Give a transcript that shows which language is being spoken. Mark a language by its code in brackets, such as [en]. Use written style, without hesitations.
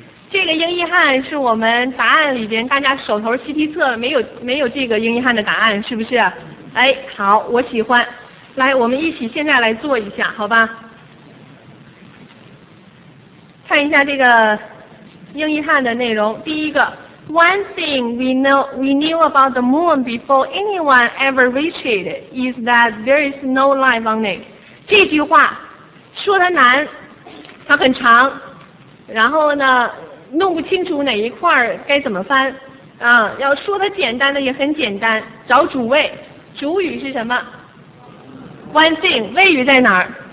[zh] 这个英译汉是我们答案里边大家手头习题册没有这个英译汉的答案是不是？哎，好，我喜欢。来，我们一起现在来做一下，好吧？看一下这个英译汉的内容。第一个 [en] ，One thing we knew about the moon before anyone ever reached it is that there is no life on it。 [zh] 这句话说它难，它很长，然后呢？弄不清楚哪一块该怎么翻啊？要说的简单的也很简单，找主谓，主语是什么？ [en] One thing， [zh] 谓语在哪儿？